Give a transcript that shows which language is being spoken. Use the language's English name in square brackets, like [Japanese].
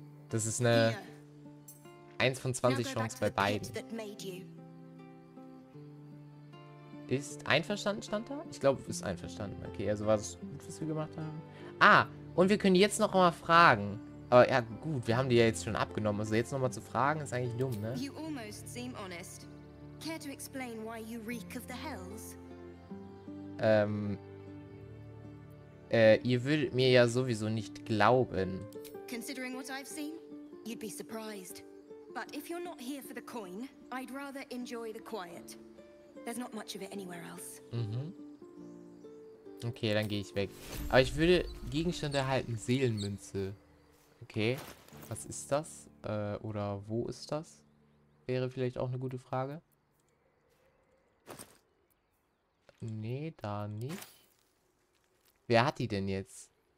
[German] Das ist eine 1 von 20 Chance bei beiden. Ist einverstanden, stand da? Ich glaube, ist einverstanden. Okay, also war das gut, was wir gemacht haben. Ah, und wir können jetzt noch mal fragen. Aber ja, gut, wir haben die ja jetzt schon abgenommen. Also jetzt noch mal zu fragen, ist eigentlich dumm, ne? [English] You almost seem honest. Care to explain why you reek of the hells? [German] Ihr würdet mir ja sowieso nicht glauben. [English] Considering what I've seen, you'd be surprised. But if you're not here for the coin, I'd rather enjoy the quiet. There's not much of it anywhere else. [German] Mhm. Okay, dann gehe ich weg. Aber ich würde Gegenstand erhalten, Seelenmünze. Okay, was ist das? Oder wo ist das? Wäre vielleicht auch eine gute Frage. Nee, da nicht. Wer hat die denn jetzt?